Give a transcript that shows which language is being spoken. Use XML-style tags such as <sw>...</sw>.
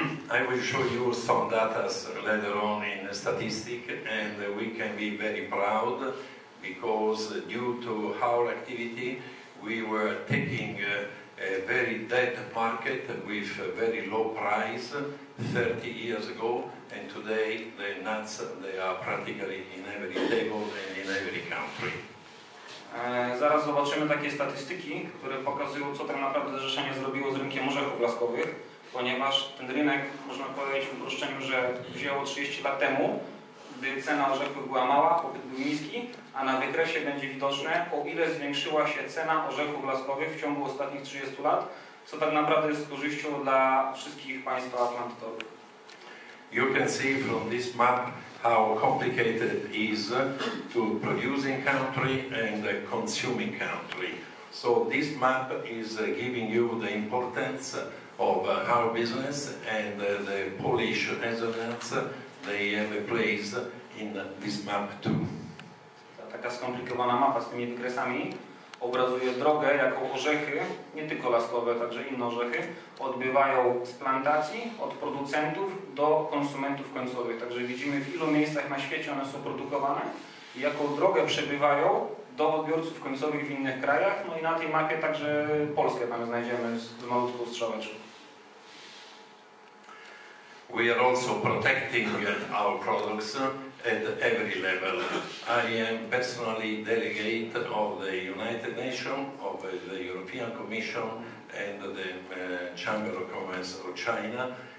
<en>I will show you some data later on in the statistic, and we can be very proud because due to our activity we were taking a very dead market with a very low price 30 years ago, and today the nuts, they are practically in every table and in every country.</en> <pl>Za zaraz zobaczymy takie statystyki, które pokazują, co tak naprawdę zrzeszenie zrobiło z rynkiem orzechów blaskowych, ponieważ ten rynek, można powiedzieć w uproszczeniu, że wzięło 30 lat temu, gdy cena orzechów była mała, popyt był niski, a na wykresie będzie widoczne, o ile zwiększyła się cena orzechów blaskowych w ciągu ostatnich 30 lat, co tak naprawdę jest z korzyścią dla wszystkich państw atlantyckich.</pl> <en>You can see from this map how complicated it is to producing country and consuming country. So this map is giving you the importance of our business and the Polish residents, they have a place in this map too.</en> <pl>Ta taka skomplikowana mapa z tymi wykresami obrazuje drogę, jaką orzechy, nie tylko laskowe, także inne orzechy, odbywają z plantacji, od producentów do konsumentów końcowych. Także widzimy, w ilu miejscach na świecie one są produkowane i jaką drogę przebywają do odbiorców końcowych w innych krajach. No i na tej mapie także Polskę tam znajdziemy z malutką strzałeczką.</pl> <en>We are also protecting our products at every level. I am personally delegate of the United Nations, of the European Commission and the Chamber of Commerce of China.</en>